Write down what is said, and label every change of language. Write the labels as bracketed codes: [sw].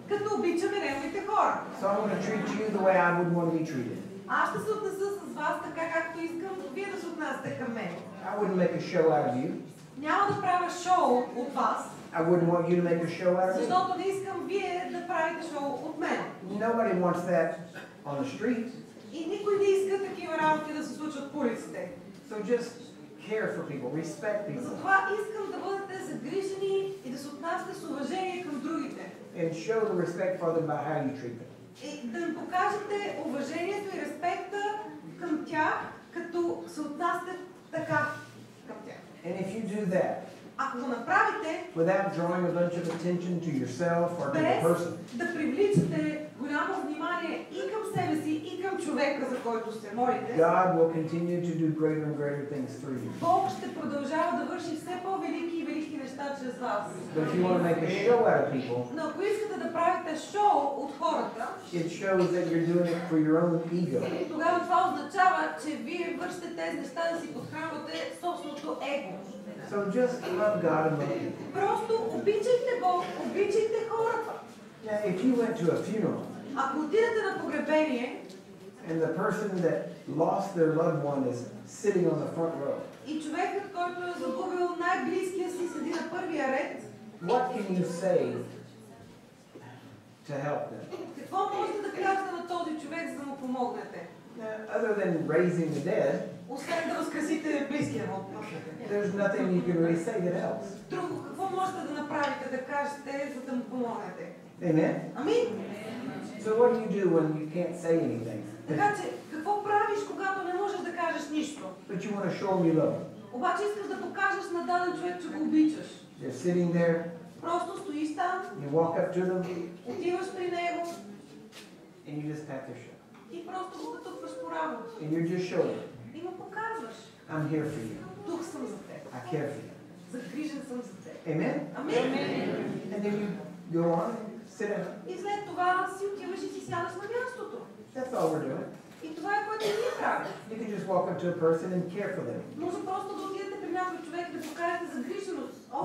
[en] So I'm going to treat you the way I would want to be treated. [bg] Аз ще се отнеса с вас така, както искам вие да се отнасяте към мен. [en] I wouldn't make a show out of you. [bg] Няма да правя шоу от вас. [en] I wouldn't want you to make a show out of me. [bg] Защото не искам вие да правите шоу от мен. [en] Nobody wants that on the street. [bg] И никой не иска такива работи да се случват по улиците. [en] So just care for people, respect people. [bg] Затова искам да бъдете загрижени и да се отнасяте с уважение към другите. [en] And show the respect for them by how you treat them. [bg] И да им покажете уважението и респекта към тях, като се отнасяте така към тях. [en] And if you do that, [bg] ако го направите, [en] without drawing a bunch of attention to yourself or to the person, [bg] да привличате голямо внимание и към себе си, и към човека, за който се молите, [en] God will continue to do greater and greater things through you. [bg] Бог ще продължава да върши все по-велики и велики неща чрез вас. [en] But if you want to make a show out of people, [bg] но ако искате да правите шоу от хората, [en] it shows that you're doing it for your own ego. [bg] Тогава това означава, че вие вършите тези неща да си подхранвате собственото его. [en] So just love God and love people. [bg] Просто обичайте Бог, обичайте хората. [en] Now, if you went to a funeral, [bg] ако отидете на погребение, [en] and the person that lost their loved one is sitting on the front row, [bg] и човекът, който е загубил най-близкия си, седи на първия ред, [en] what can you say to help them? [bg] Какво можете да кажете на този човек, за да му помогнете? [en] Other than raising the dead, [bg] освен да разкресите близкия му. [en] There's nothing you can really say that helps. [bg] Друго, какво можете да направите, да кажете, за да му помогнете? [en] Amen. [bg] Амин. [en] So what do you do when you can't say anything? [bg] Така че, какво правиш, когато не можеш да кажеш нищо? [en] But you want to show me love. [bg] Обаче искаш да покажеш на даден човек, че го обичаш. [en] You're sitting there. [bg] Просто стоиш там. [en] You walk up to them. [bg] Отиваш при него. [en] And you just pat their shoulder. [bg] И просто го потупваш по рамото. [en] And you're just showing. [bg] И му показваш. [en] I'm here for you. [bg] Тук съм за теб. [en] I care for you. [bg] Загрижен съм за теб. [en] Amen. [bg] Амин. Amen. [en] And then you go on. [bg] И след това си отиваш и си сядаш на мястото. [en] That's all we're doing. [bg] И това е което ние правим. [en] You can just walk up to a person and care for them. [bg] Може просто да отидете при някой човек да покажете загриженост.